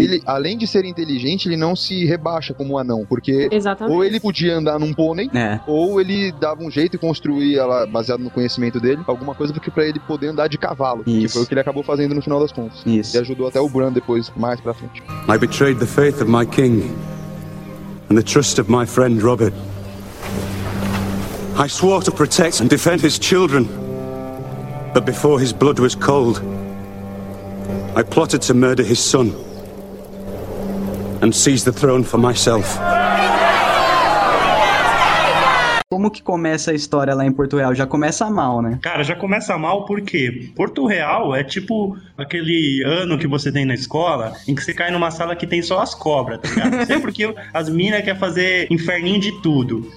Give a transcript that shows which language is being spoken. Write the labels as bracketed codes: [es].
[pt] Ele, além de ser inteligente, ele não se rebaixa como um anão, porque... Exatamente. Ou ele podia andar num pônei, ou ele dava um jeito e construía, ela, baseado no conhecimento dele, alguma coisa pra ele poder andar de cavalo, isso. Que foi o que ele acabou fazendo no final das contas. Isso. E ajudou até o Bran depois, mais pra frente. [en] I betrayed the faith of my king and the trust of my friend Robert. I swore to protect and defend his children, but before his blood was cold, I plotted to murder his son and seize the throne for myself. [pt] como que começa a história lá em Porto Real? Já começa mal, né? Cara, já começa mal porque Porto Real é tipo aquele ano que você tem na escola em que você cai numa sala que tem só as cobras, tá ligado? Sempre que as minas querem fazer inferninho de tudo.